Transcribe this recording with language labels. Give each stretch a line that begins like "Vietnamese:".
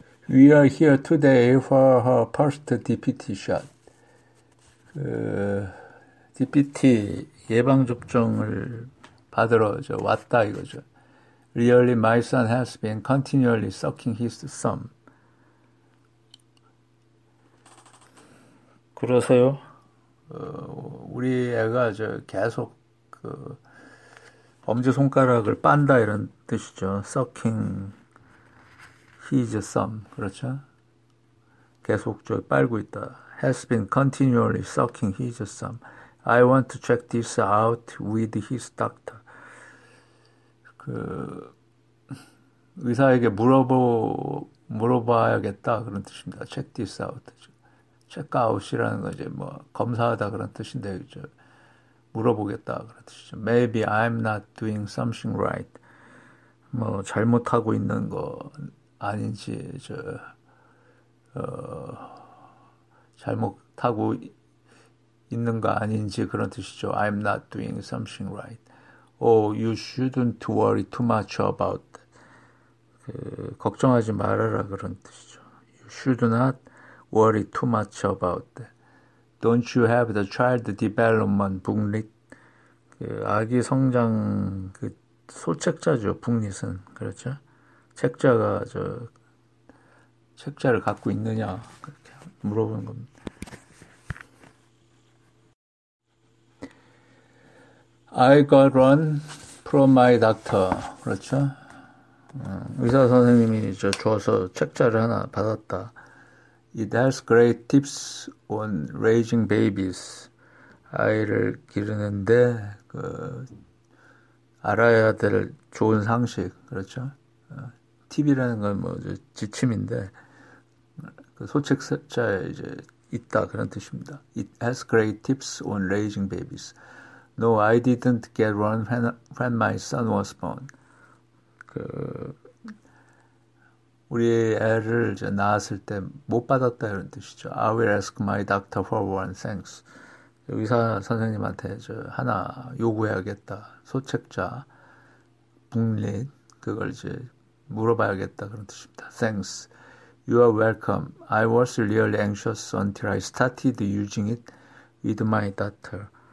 English: We are here today for her first DPT shot.
Korean: DPT 예방접종을 받으러 왔다 이거죠.
English: Really, my son has been continually sucking his thumb.
Korean: 그러세요? 우리 애가 계속 엄지손가락을 빤다 이런 뜻이죠.
English: Sucking his thumb.
Korean: 그렇죠? 계속 저 빨고 있다.
English: Has been continually sucking his thumb. I want to check this out with his doctor.
Korean: 의사에게 물어봐야겠다 그런 뜻입니다.
English: Check this out.
Korean: Check out이라는 거 이제 뭐 검사하다 그런 뜻인데 이제 물어보겠다 그런 뜻이죠.
English: Maybe I'm not doing something right.
Korean: 뭐 잘못하고 있는 거 아닌지 잘못하고 있는 거 아닌지 그런 뜻이죠.
English: I'm not doing something right. Oh, you shouldn't worry too much about
Korean: 걱정하지 말아라 그런 뜻이죠.
English: You should not worry too much about that. Don't you have the child development booklet?
Korean: 아기 성장 소책자죠, 북릿은. 그렇죠? 책자가 책자를 갖고 있느냐 그렇게 물어보는 겁니다.
English: I got one from my doctor.
Korean: 그렇죠? 의사 선생님이 줘서 책자를 하나 받았다.
English: It has great tips on raising babies.
Korean: 아이를 기르는데 알아야 될 좋은 상식, 그렇죠? tip이라는 건뭐 지침인데 소책 서자에 있다 그런 뜻입니다.
English: It has great tips on raising babies. No, I didn't get one when my son was born.
Korean: 우리 애를 낳았을 때못 받았다는 뜻이죠.
English: I will ask my doctor for one, thanks.
Korean: 의사 선생님한테 하나 요구해야겠다. 소책자, 북릿, 그걸 물어봐야겠다. 그런 뜻입니다.
English: Thanks. You are welcome. I was really anxious until I started using it with my daughter.